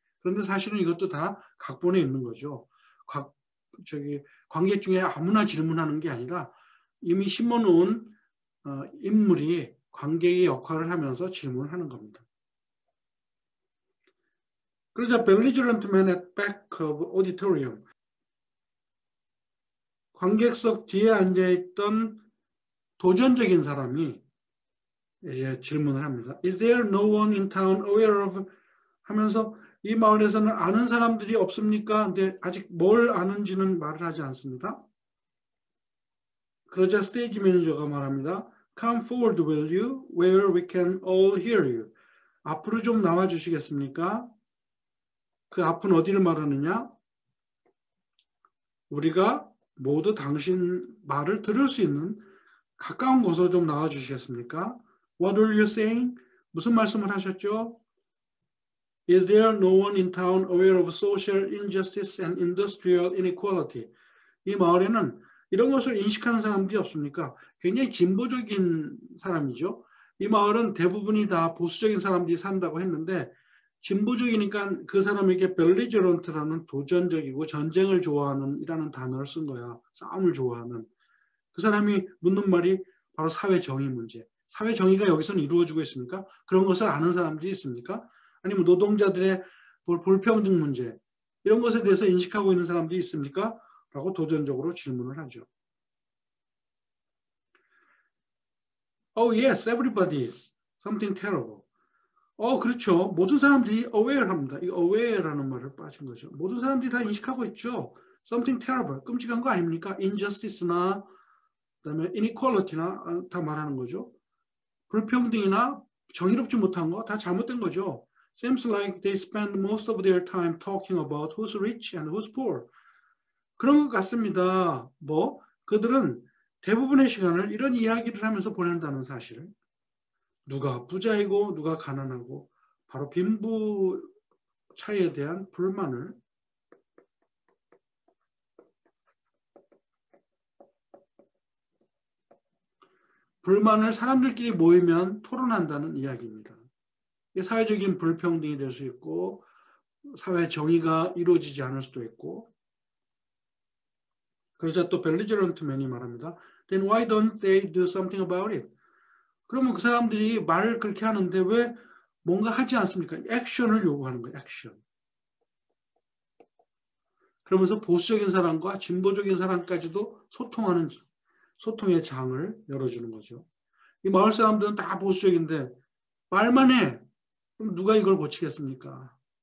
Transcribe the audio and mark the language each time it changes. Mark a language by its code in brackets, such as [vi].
[ko] 그런데 사실은 이것도 다 각본에 있는 거죠. 관객 중에 아무나 질문하는 게 아니라 이미 심어놓은 인물이 관객의 역할을 하면서 질문을 하는 겁니다. 그러자 [en] Belligerent Man at Back of Auditorium. [ko] 관객석 뒤에 앉아있던 도전적인 사람이 이제 질문을 합니다. [en] Is there no one in town aware of? [ko] 하면서 이 마을에서는 아는 사람들이 없습니까? 근데 아직 뭘 아는지는 말을 하지 않습니다. 그러자 스테이지 매니저가 말합니다. [en] Come forward, will you? Where we can all hear you. [ko] 앞으로 좀 나와 주시겠습니까? 그 앞은 어디를 말하느냐? 우리가 모두 당신 말을 들을 수 있는 가까운 곳으로 좀 나와 주시겠습니까? [en] What are you saying? [ko] 무슨 말씀을 하셨죠? [en] Is there no one in town aware of social injustice and industrial inequality? [ko] 이 마을에는 이런 것을 인식하는 사람들이 없습니까? 굉장히 진보적인 사람이죠. 이 마을은 대부분이 다 보수적인 사람들이 산다고 했는데 진보적이니까 그 사람에게 벨리저런트라는 도전적이고 전쟁을 좋아하는 이라는 단어를 쓴 거야. 싸움을 좋아하는. 그 사람이 묻는 말이 바로 사회 정의 문제. 사회 정의가 여기서는 이루어지고 있습니까? 그런 것을 아는 사람들이 있습니까? 아니면 노동자들의 불평등 문제. 이런 것에 대해서 인식하고 있는 사람들이 있습니까? 라고 도전적으로 질문을 하죠. [en] Oh, yes, everybody is. Something terrible. [ko] 그렇죠. 모든 사람들이 aware 합니다. 이 aware라는 말을 빠진 거죠. 모든 사람들이 다 인식하고 있죠. [en] Something terrible. [ko] 끔찍한 거 아닙니까? Injustice나, 그다음에 inequality나 다 말하는 거죠. 불평등이나 정의롭지 못한 거다 잘못된 거죠. [en] Seems like they spend most of their time talking about who's rich and who's poor. [ko] 그런 것 같습니다. 뭐, 그들은 대부분의 시간을 이런 이야기를 하면서 보낸다는 사실을. 누가 부자이고 누가 가난하고 바로 빈부 차이에 대한 불만을 사람들끼리 모이면 토론한다는 이야기입니다. 이게 사회적인 불평등이 될수 있고 사회 정의가 이루어지지 않을 수도 있고. 그러자 또 벨리저런트 맨이 말합니다. [en] Then why don't they do something about it? [ko] 그러면 그 사람들이 말을 그렇게 하는데 왜 뭔가 하지 않습니까? 액션을 요구하는 거예요. 액션. 그러면서 보수적인 사람과 진보적인 사람까지도 소통의 장을 열어주는 거죠. 이 마을 사람들은 다 보수적인데 말만 해. 그럼 누가 이걸 고치겠습니까?